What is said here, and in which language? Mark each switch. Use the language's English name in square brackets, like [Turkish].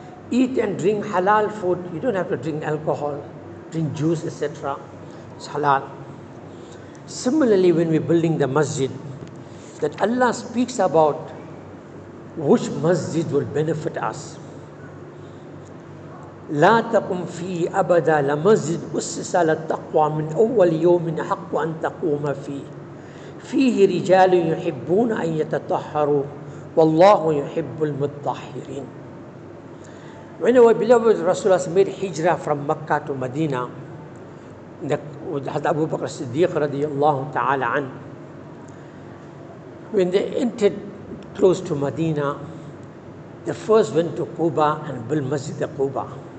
[English] Eat and drink halal food. You don't have to drink alcohol, drink juice, etc. It's halal. Similarly, when we're building the masjid, that Allah speaks about which masjid will benefit us. [Arabic] لا تقم فيه أبدا لمسجد أسس على التقوى من أول يوم حق أن تقوم فيه فيه رجال يحبون أن يتطهروا والله يحب المطهرين. [English] When our beloved Rasulullah made hijrah from Makkah to Medina, Hazrat Abu Bakr Siddiq radiallahu ta'ala an, when they entered close to Medina, they first went to Quba and built Masjid Quba.